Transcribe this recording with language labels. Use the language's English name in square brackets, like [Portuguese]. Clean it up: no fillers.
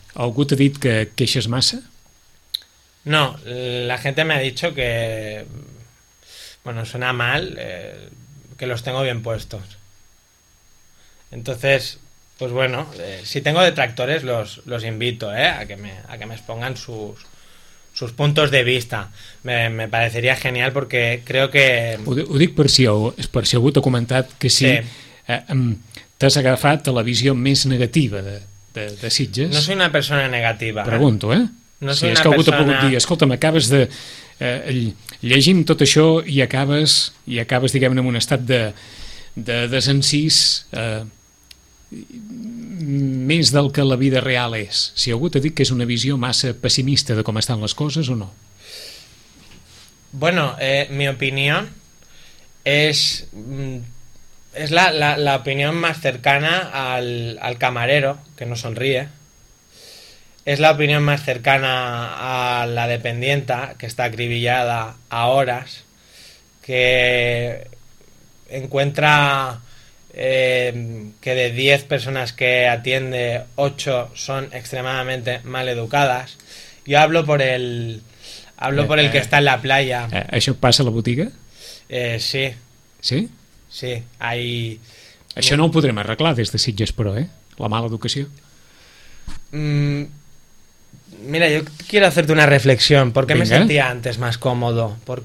[Catalan] Algú t'ha dit que queixes massa? [Spanish] No, la gente me ha dicho que... Bueno, suena mal, que los tengo bien puestos. Entonces... Pues bueno, si tengo detractores los invito a que me expongan sus puntos de vista. Me parecería genial porque creo que... [Catalan] Ho dic per si algú t'ha comentat que sí, t'has agafat a la visió més negativa de Sitges. [Spanish] No soy una persona negativa. [Catalan] Pregunto, eh? [Spanish] No soy una persona... [Catalan] Si és que algú t'ha pogut dir, escolta'm, acabes de... llegim tot això i acabes, diguem-ne, en un estat de desencís... més del que la vida real és. Si algú t'ha dit que és una visió massa pessimista de com estan les coses o no? [Spanish] Bueno, mi [Catalan] opinió és la opinió més [Spanish] cercana al camarero que no sonríe. [Catalan] És la opinió més [Spanish] cercana a la dependienta [Catalan] que està [Spanish] acribillada [Catalan] a hores, [Spanish] que encuentra... que de 10 personas que atiende 8 son extremadamente mal educadas. Yo hablo por el que está en la playa. [Catalan] ¿Això passa a la botiga? Sí. Sí? [Spanish] Sí, hay... [Catalan] Això no ho podrem arreglar des de Sitges, però, la mala educació. [Spanish] Mira, yo quiero hacerte una reflexión. ¿Por qué me sentía antes más cómodo?